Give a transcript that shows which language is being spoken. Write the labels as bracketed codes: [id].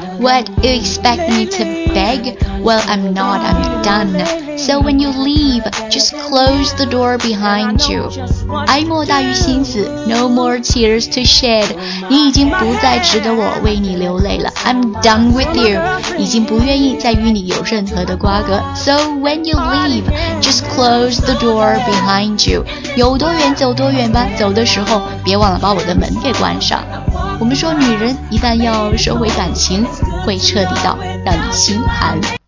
[en] What you expect me to beg? Well, I'm not, I'm done. So when you leave, just close the door behind you. [zh] 哀莫大于心死， [en] no more tears to shed. [zh] 你已经不再值得我为你流泪了。 [en] I'm done with you. [zh] 已经不愿意再与你有任何的瓜葛。 [en] So when you leave, just close the door behind you. [zh] 有多远走多远吧，走的时候别忘了把我的门给关上。我们说女人一旦要收回感情，会彻底到让你心寒。